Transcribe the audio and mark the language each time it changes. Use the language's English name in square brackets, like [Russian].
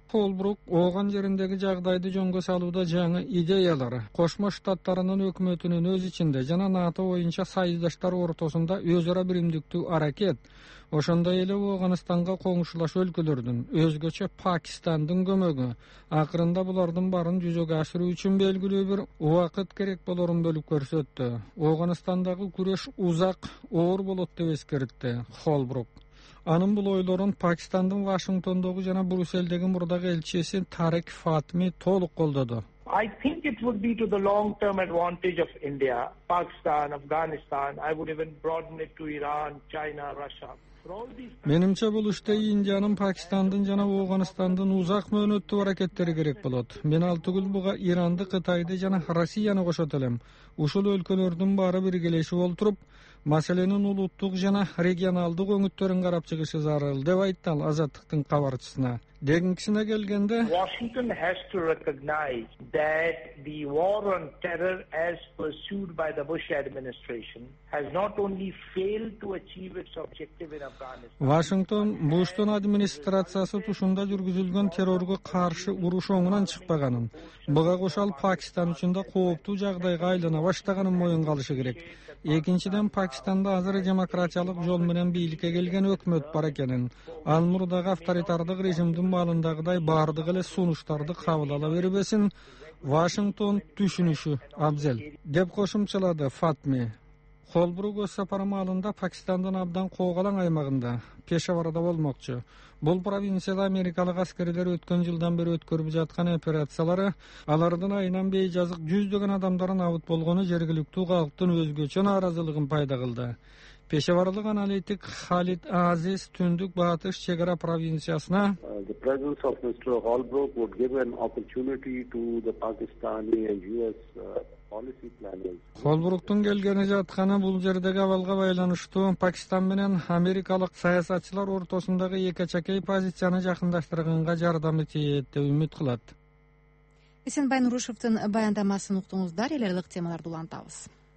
[Kyrgyz] Холбрук ооган жериндеги жагдайды жөнгө салууда жаңы идеялар, Кошмо Штаттарынын өкмөтүнүн өз ичинде жана НАТО боюнча союздаштар ортосунда өз ара биримдиктүү аракет, ошондой эле Ооганстанга коңшулаш өлкөлөрдүн, өзгөчө Пакистандын көмөгү, акырында булардын баарын жүзөгө ашыруу үчүн белгилүү бир убакыт керек болорун бөлүп көрсөттү. Оогонстандагы күрөш узак, оор болот деп эскертти Холбрук. Анын бул ойлорун Пакистандын Вашингтондогу жана Брюссельдеги мурдагы элчиси Тарик Фатми толук колдоду. [English] I think it would be to the long term advantage of India, Pakistan, Afghanistan. I would even broaden it to Iran, China, Russia. [Kyrgyz] Менимче бул иште Индиянын, Пакистандын жана Ооганстандын узак мөөнөттүү аракеттери керек болот. Мен ал түгүл буга Иранды, Кытайды жана Россияны кошот элем. Ушул өлкөлөрдүн баары биргелешип олтуруп, маселенин улуттук жана регионалдык өңүттөрүн карап чыгышы зарыл деп айтты ал Азаттыктын кабарчысына. Дегинкисине келгенде, [English] Washington has to recognize that the war on terror as pursued by the Bush administration has not only failed to achieve its objective in Afghanistan. [Kyrgyz] Вашингтон Буштун администрациясы тушунда жүргүзүлгөн террорго каршы уруш оңунан чыкпаганын, буга кошо ал Пакистан үчүн да кооптуу жагдайга айлана баштаганын моюнга алышы керек. Экинчиден, Пакистанда азыр демократиялык жол менен бийликке келген өкмөт бар экенин, ал мурдагы авторитардык режим маалындагыдай баардык эле сунуштарды кабыл ала бербесин Вашингтон түшүнүшү абзел деп кошумчалады Фатми. Холбрук өз сапары маалында Пакистандын абдан коогалаң аймагында Пешаварда болмокчу. Бул провинцияда америкалык аскерлер өткөн жылдан бери өткөрүп жаткан операциялары, алардын айынан бейжазык жүздөгөн адамдарын абут болгону жергиликтүү калктын өзгөчө нааразылыгын пайда кылды. Пешаварлык аналитик Халид Азиз түндүк батыш чек ара провинциясына [English] the presence of Mr. Holbrook would give an opportunity to the Pakistani and US policy planners. [Kyrgyz] Холбруктун келгени жатканы бул жердеги абалга байланыштуу Пакистан менен америкалык саясатчылар ортосундагы экечекей позицияны жакындаштырганга жардамы тиет деп үмүт кылат. Эсенбай Нурушевтин баяндамасын уктуңуздар, эл аралык темаларды улантабыз.